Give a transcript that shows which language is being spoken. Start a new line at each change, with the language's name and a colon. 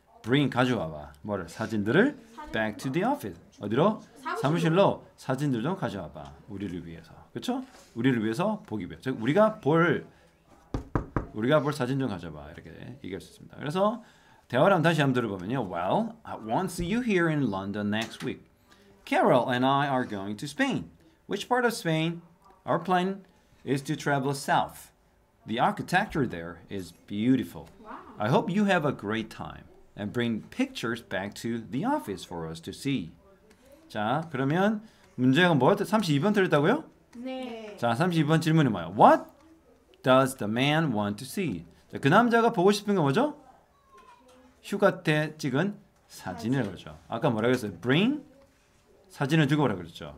Korean: Bring 가져와봐. 뭐를? 사진들을.
English: Back to the office.
Korean: 어디로? 사무실로 사진들 좀 가져와봐. 우리를 위해서. 그렇죠? 우리를 위해서 보기 위해서. 즉 우리가 볼 사진 좀 가져와봐. 이렇게 얘기할 수 있습니다. 그래서 대화를 한번 다시 한번 들어보면요.
English: Well, I won't see you here in London next week. Carol and I are going to Spain. Which part of Spain? Our plan is to travel south. The architecture there is beautiful. I hope you have a great time. And bring pictures back to the office for us to see.
Korean: 자, 그러면 문제가 뭐였죠? 32번 틀렸다고요? 네. 자, 32번 질문이 뭐예요?
English: What does the man want to see?
Korean: 자, 그 남자가 보고 싶은 게 뭐죠? 휴가 때 찍은 사진을 사진. 그죠. 아까 뭐라고 했어요? Bring 사진을 들고 오라고 그랬죠?